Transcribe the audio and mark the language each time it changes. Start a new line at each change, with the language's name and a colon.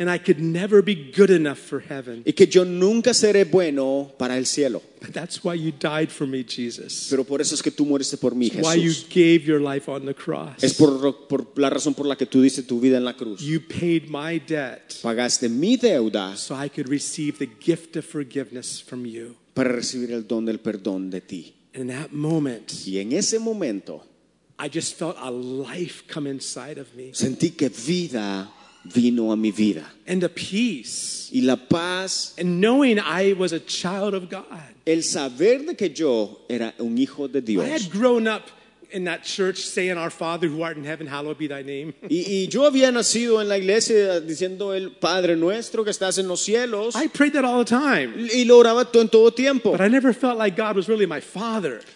English: And I could never be good enough for heaven.
Spanish: Y que yo nunca seré bueno para el cielo.
English: But that's why you died for me, Jesus.
Spanish: Pero por eso es que tú moriste por mí, Jesús.
English: Why you gave your life on the cross.
Spanish: Es por la razón por la que tú diste tu vida en la cruz.
English: You paid my debt.
Spanish: Pagaste mi deuda.
English: So I could receive the gift of forgiveness from you.
Spanish: Para recibir el don del perdón de ti.
English: In that moment,
Spanish: y en ese momento,
English: I just felt a life come inside of me.
Spanish: Sentí que vida vino a mi vida.
English: And a peace.
Spanish: Y la paz.
English: And knowing I was a child of God.
Spanish: El saber de que yo era un hijo de Dios.
English: I had grown up in that church saying, "Our Father who art in heaven, hallowed be thy name."
Spanish: Y yo había nacido en la iglesia diciendo el Padre nuestro que estás en los cielos.
English: I prayed that all the time.
Spanish: Y lo oraba en todo tiempo.
English: But I never felt like God was really my Father.